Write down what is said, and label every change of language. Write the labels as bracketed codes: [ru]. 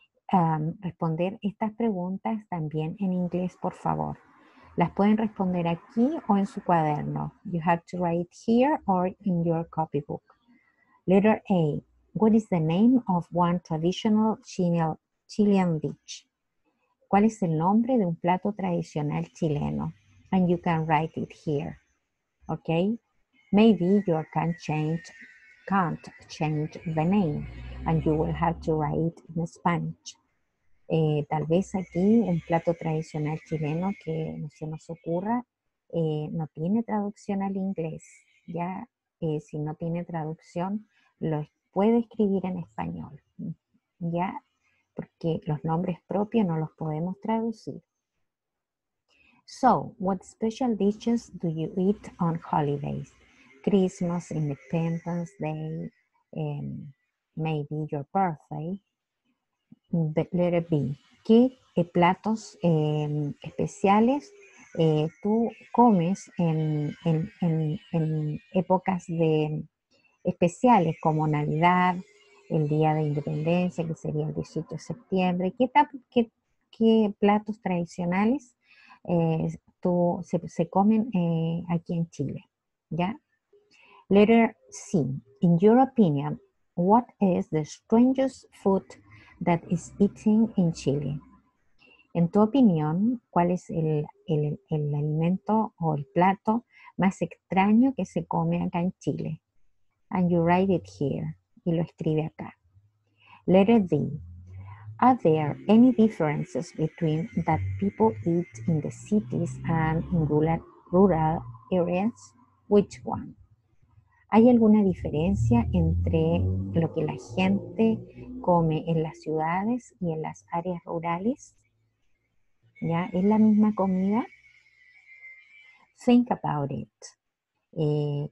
[es] Responder estas preguntas también en inglés, por favor. Las pueden responder aquí o en su cuaderno. [en] You have to write here or in your copybook. Letter A. What is the name of one traditional Chilean dish? [es] ¿Cuál es el nombre de un plato tradicional chileno? [en] And you can write it here. Okay? Maybe you can't change the name. And you will have to write in Spanish. [es] Tal vez aquí un plato tradicional chileno que no se nos ocurra no tiene traducción al inglés. Ya, si no tiene traducción, lo puede escribir en español. Ya, porque los nombres propios no los podemos traducir. [en] So, what special dishes do you eat on holidays? Christmas, Independence Day, maybe your birthday. Let it be. [es] ¿Qué platos especiales tú comes en épocas de especiales como Navidad, el Día de Independencia, que sería el 18 de septiembre? ¿Qué platos tradicionales se comen aquí en Chile? [en] ¿Ya? Letter C. In your opinion, what is the strangest food that is eaten in Chile? [es] En tu opinión, ¿cuál es el alimento o el plato más extraño que se come acá en Chile? [en] And you write it here. [es] Y lo escribe acá. [en] Letter D. Are there any differences between that people eat in the cities and in rural areas? Which one? [es] ¿Hay alguna diferencia entre lo que la gente come en las ciudades y en las áreas rurales? ¿Ya? ¿Es la misma comida? [en] Think about it.